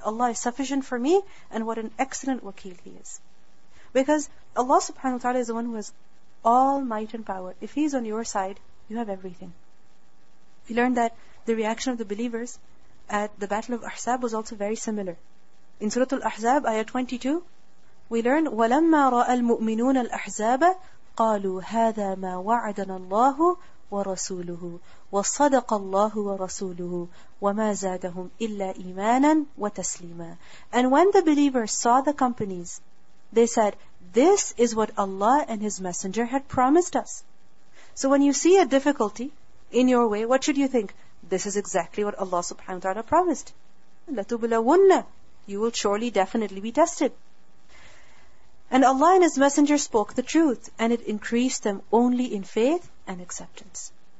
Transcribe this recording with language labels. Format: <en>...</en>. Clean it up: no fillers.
<en>Allah is sufficient for me, and what an excellent wakeel He is. Because Allah subhanahu wa ta'ala is the one who has all might and power. If he's on your side, you have everything. We learned that the reaction of the believers at the Battle of Ahzab was also very similar. In Surah Al-Ahzab, Ayah 22, we learn,</en> <ar>وَلَمَّا رَأَى الْمُؤْمِنُونَ الْأَحْزَابَ قَالُوا هَذَا مَا وَعَدَنَا اللَّهُ وَرَسُولُهُ وَصَدَقَ اللَّهُ وَرَسُولُهُ وَمَا زَادَهُمْ إِلَّا إِيمَانًا وَتَسْلِيمًا.</ar> <en>And when the believers saw the companies, they said, this is what Allah and His Messenger had promised us. So when you see a difficulty in your way, what should you think? This is exactly what Allah subhanahu wa ta'ala promised.</en> <ar>لَتُبْلَوُنَّ.</ar> <en>You will surely, definitely be tested. And Allah and His Messenger spoke the truth, and it increased them only in faith and acceptance.</en>